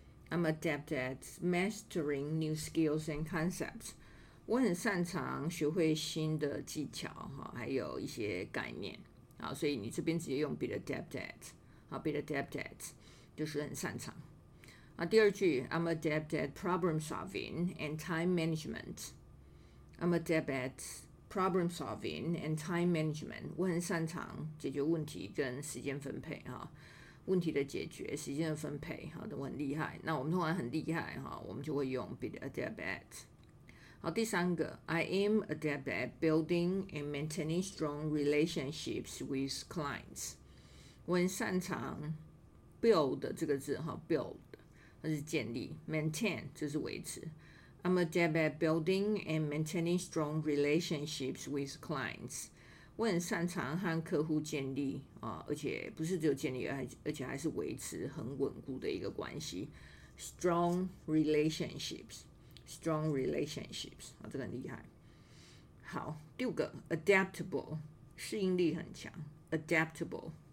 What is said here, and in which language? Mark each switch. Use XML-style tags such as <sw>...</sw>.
<en>I'm adept at mastering new skills and concepts.</en> <zh>我很擅长学会新的技巧哈，还有一些概念。好，所以你这边直接用 be adept at， 好 ，be adept at 就是很擅长。第二句</zh> <en>，I'm adept at problem solving and time management. I'm adept at problem solving and time management.</en> <zh>我很擅长解决问题跟时间分配哈，问题的解决、时间的分配，好的，我很厉害。那我们通常很厉害哈，我们就会用 be adept at。好，第三个</zh> <en>I am adept at building and maintaining strong relationships with clients。</en> <zh>我很擅长 build 这个字 build 它是建立 maintain 就是维持。</zh> <en>I'm adept at building and maintaining strong relationships with clients。</en> <zh>我很擅长和客户建立、而且不是只有建立，而且还是维持很稳固的一个关系。</zh> <en>Strong relationshipsStrong relationships、</en> <zh>这个很厉害。好，第五个 adaptable 适应力很强 adaptable。</zh>